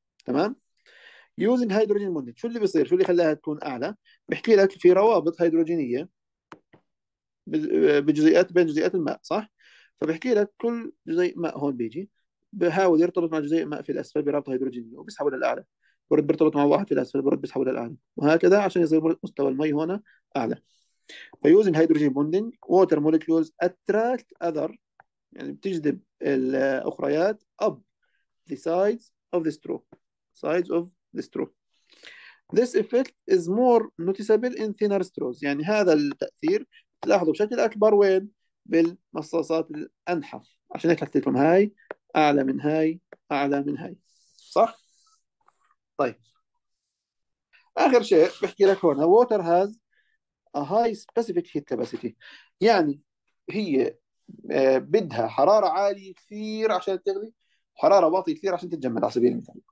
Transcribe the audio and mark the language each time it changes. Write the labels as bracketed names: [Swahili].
[Arabic] تمام using hydrogen bonding شو اللي بيصير، شو اللي خلاها تكون اعلى؟ بحكي لك في روابط هيدروجينيه بجزيئات بين جزيئات الماء صح؟ فبحكي لك كل جزيء ماء هون بيجي بحاول يرتبط مع جزيء ماء في الاسفل برابطه هيدروجينيه وبيسحبه للاعلى، برد بيرتبط مع واحد في الاسفل برد بيسحبه للاعلى وهكذا عشان يصير مستوى المي هون اعلى. فيوزن هيدروجين بوندنج ووتر موليكيولز اتراكت اذر، يعني بتجذب الاخريات اب ذا سايدز اوف ذا سترو سايدز اوف ذا سترو. [English] This effect is more noticeable in thinner straws. [Arabic] يعني هذا التأثير تلاحظوا بشكل أكبر وين؟ بالمصاصات الأنحف، عشان هيك حكيت لكم هاي أعلى من هاي أعلى من هاي صح؟ طيب آخر شيء بحكي لك هون [English] water has a high specific heat capacity، [Arabic] يعني هي بدها حرارة عالية كثير عشان تغلي وحرارة واطية كثير عشان تتجمد على سبيل المثال.